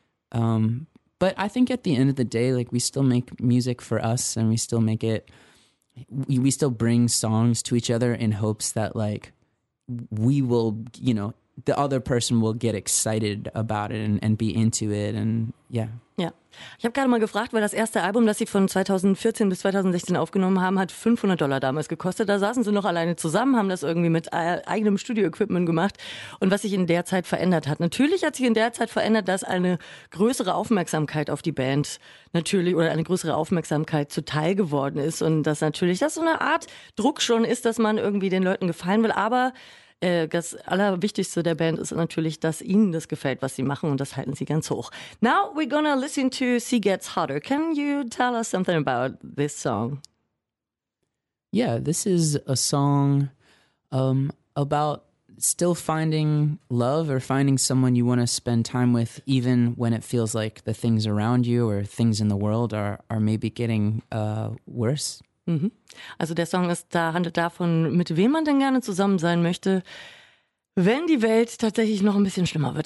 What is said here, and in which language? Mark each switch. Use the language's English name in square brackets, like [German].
[English] But I think at the end of the day, like, we still make music for us, and we still make it, we still bring songs to each other in hopes that, like, we will, you know, the other person will get excited about it and be into it, and yeah. [German] Ja, ich habe gerade mal gefragt, weil das erste Album, das sie von 2014 bis 2016 aufgenommen haben, hat $500 damals gekostet. Da saßen sie noch alleine zusammen, haben das irgendwie mit eigenem Studio-Equipment gemacht und was sich in der Zeit verändert hat. Natürlich hat sich in der Zeit verändert, dass eine größere Aufmerksamkeit auf die Band natürlich oder eine größere Aufmerksamkeit zuteil geworden ist und dass natürlich das so eine Art Druck schon ist, dass man irgendwie den Leuten gefallen will, aber das Allerwichtigste der Band ist natürlich, dass ihnen das gefällt, was sie machen, und das halten sie ganz hoch. [English] Now we're gonna listen to "Sea Gets Hotter." Can you tell us something about this song? Yeah, this is a song about still finding love or finding someone you want to spend time with, even when it feels like the things around you or things in the world are maybe getting worse. [German] Also der Song ist da, handelt davon, mit wem man denn gerne zusammen sein möchte, wenn die Welt tatsächlich noch ein bisschen schlimmer wird.